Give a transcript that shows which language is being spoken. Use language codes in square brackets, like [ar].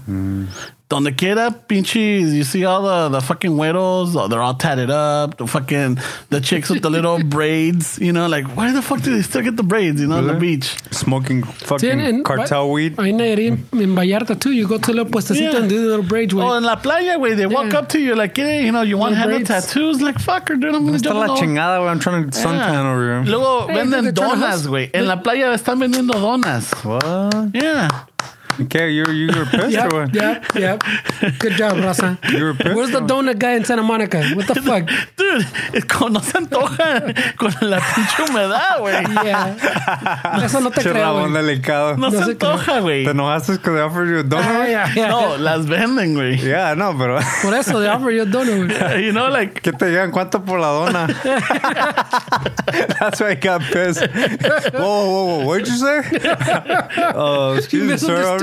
[es] Donde quiera, pinches, [en] you see all the fucking güeros, they're all tatted up, the chicks with the little braids, you know, like, why the fuck do they still get the braids, you know, really? On the beach? Smoking fucking cartel weed. In Vallarta, too, you go to little puestecito and do the little braids. Oh, in [es] la playa, güey, [en] they walk up to you, like, hey, you know, you want to have the tattoos? Like, fucker, dude, I'm going to jump [es] la chingada, güey, [en] I'm trying to suntan over here. [es] Luego, venden donas, güey. En la playa están vendiendo donas. [en] What? Yeah. Okay, you were pissed yep, or what? Yep. Good job, Rosa. You were pissed. Where's the donut guy in Santa Monica? What the fuck? Dude, [es] no se antoja con la pinche humedad, güey. [en] Yeah. [es] Eso no te creo. Chorabón delicado. No se antoja, güey. Te enojaste [en] because they offer you a donut? Yeah. [es] No, las venden, güey. [en] Yeah, [es] no, pero. Por eso, [en] they offer you a donut, güey. You know, like. [es] ¿Qué te llegan? ¿Cuánto por la dona? [en] That's why I got pissed. Whoa, what'd you say? Oh, excuse me, sir.